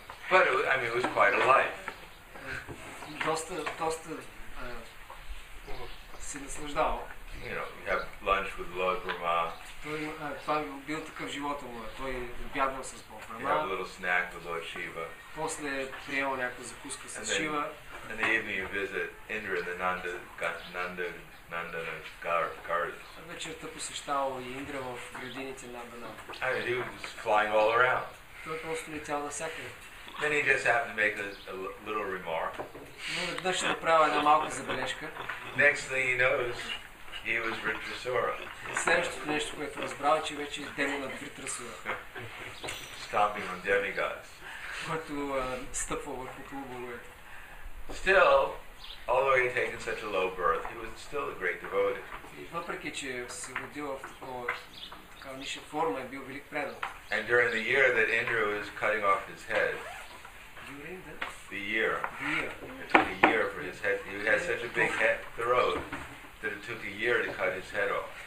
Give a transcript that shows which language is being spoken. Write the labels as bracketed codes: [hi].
[en] But it was, I mean, it was quite a life. [bg] Доста се наслаждавал. [en] You know, you have lunch with Lord Brahma. [bg] Това бил такъв живот му. Той обядвал с Бог Брама. [en] You have a little snack with Lord Shiva. [bg] После приемал някаква закуска с Шива. [en] In the evening you visit Indra the Nandana Gardens. [bg] Вечерта посещавал и Индра в градините на Нандана. [en] I mean, he was flying all around. [bg] Той просто летял навсякъде. [en] Then he just happened to make a little remark. [bg] Веднъж ще направя една малка забележка. [en] Next thing he knows, he was Vritrasura. [bg] Следващото нещо, което разбрал, че вече е демон на Vritrasura. [en] Stomping on demigods. [bg] Който стъпва върху полубоговете. [en] Still, although he had taken such a low birth, he was still a great devotee. [bg] Въпреки че се родил в така ниша форма, бил велик предан. [en] And during the year that Indra was cutting off his head, during the year, it took a year for his head. He had such a big head, throat, that it took a year to cut his head off.